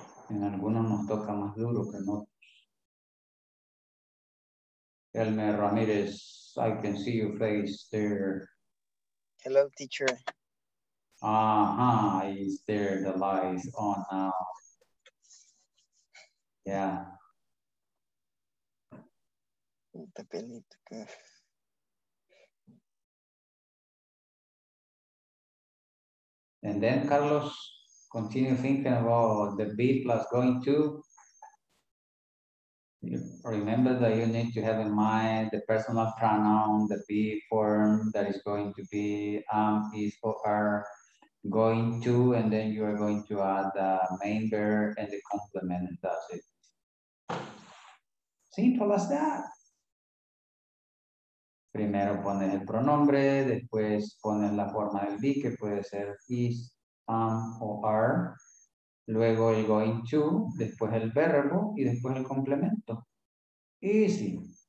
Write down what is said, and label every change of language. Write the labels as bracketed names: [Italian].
[Spanish] En algunos nos toca más duro que en otros. [English] Elmer Ramírez, I can see your face there. Hello, teacher. Is there the light on now? Yeah. The pelito to go. And then Carlos, continue thinking about the B plus going to. Remember that you need to have in mind the personal pronoun, the B form that is going to be is or are going to, and then you are going to add the main verb and the complement, and that's it. Simple as that. [Spanish] Primero pones el pronombre, después pones la forma del be, que puede ser is, o are. Luego el going to, después el verbo y después el complemento. Easy.